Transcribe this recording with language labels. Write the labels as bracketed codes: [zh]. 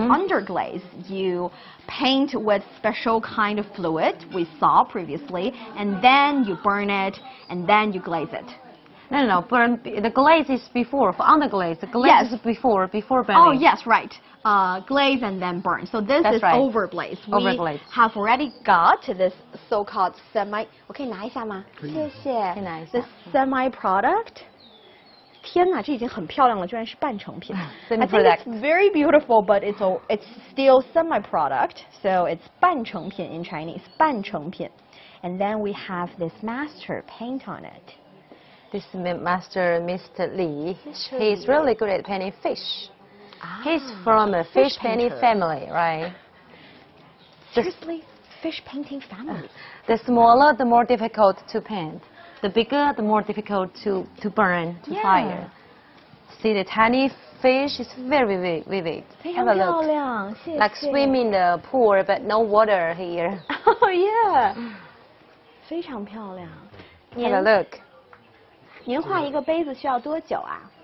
[en] it's underglazed, you paint with special kind of fluid we saw previously. And then you burn it and then you glaze it. No, no, no. Burn the glaze is before, on the glaze. The glaze yes. is before burning. Oh, yes, right. Glaze and then burn. So this That's is right. overglaze. Overglaze. We have already got this so-called semi... [zh] 我可以拿一下吗？谢谢。可以拿一下。 [en] The semi-product... [zh] 天哪，这已经很漂亮了，居然是半成品。 [en] Semi product. I think it's very beautiful, but it's still semi-product, so it's 半成品 in Chinese, 半成品. And then we have this master paint on it. This master, Mr. Li, he's really good at painting fish. Ah, he's from a fish painting family, right? Seriously? Fish painting family? The smaller, the more difficult to paint. The bigger, the more difficult to burn, to yeah. fire. See the tiny fish, it's very vivid. Have a look. [zh] 漂亮谢谢 [en] like swimming in the pool, but no water here. Oh yeah. [zh] 非常漂亮 [en] Have a look. [zh] 您画一个杯子需要多久啊